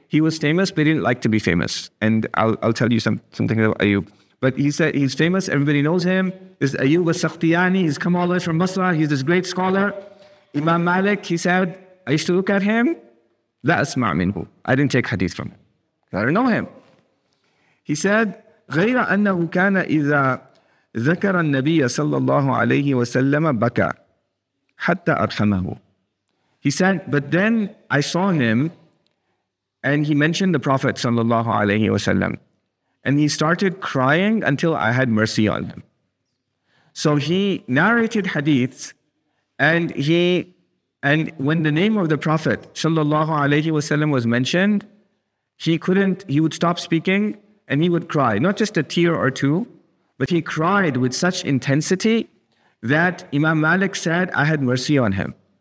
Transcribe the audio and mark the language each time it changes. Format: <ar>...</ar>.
<en>He was famous, but he didn't like to be famous. And I'll tell you something about Ayyūb. But he said he's famous. Everybody knows him. This Ayyūb al-Sakhtiyānī. He's come all the way from Basra. He's this great scholar. Imam Malik, he said, I used to look at him.</en> <ar>La asma minhu.</ar> <en>I didn't take hadith from him. I didn't know him. He said,</en> <ar>غير أنه كان إذا ذكر النبي صلى الله عليه وسلم بكى حتى أرحمه.</ar> <en>He said, but then I saw him and he mentioned the Prophet</en> <ar>صلى الله عليه وسلم</ar> <en>and he started crying until I had mercy on him. So he narrated hadiths and when the name of the Prophet</en> <ar>صلى الله عليه وسلم</ar> <en>was mentioned, he would stop speaking and he would cry, not just a tear or two, but he cried with such intensity that Imam Malik said, I had mercy on him.</en>